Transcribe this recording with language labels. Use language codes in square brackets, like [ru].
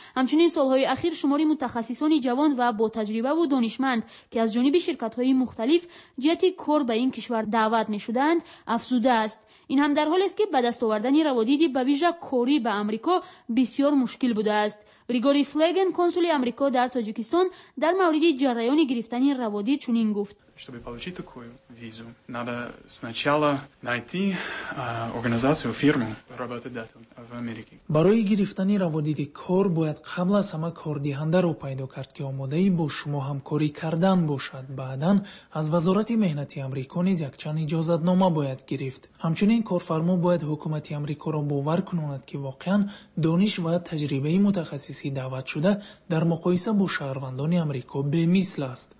[fa] همچنین سالهای اخیر شماری متخصصان جوان و با تجربه و دانشمند که از جانب شرکت های مختلف جهت کار به این کشور دعوت می شدند افزوده است. این هم در حال است که به دست آوردن روادید به ویژه کاری به امریکا بسیار مشکل بوده است. ریگوری فلگن کنسول امریکا در تاجیکستان در مورد جریان گرفتن روادید چنین گفت: [ru] чтобы получить такую визу, надо сначала найти организацию, фирму, работодателя в Америке. [tg] Барои гирифтани раводиди кор бояд қабл аз ҳама кордиҳандаро пайдо кард, ки омодаи бо шумо ҳамкорӣ кардан бошад. Баъдан аз вазорати меҳнати Амрико низ якчанд иҷозатнома бояд гирифт. Ҳамчунин корфармо бояд ҳукумати Амрикоро бовар кунонад, ки воқеан дониш ва таҷрибаи мутахассиси даъват шуда дар муқоиса бо шаҳрвандони Амрико бемисл аст.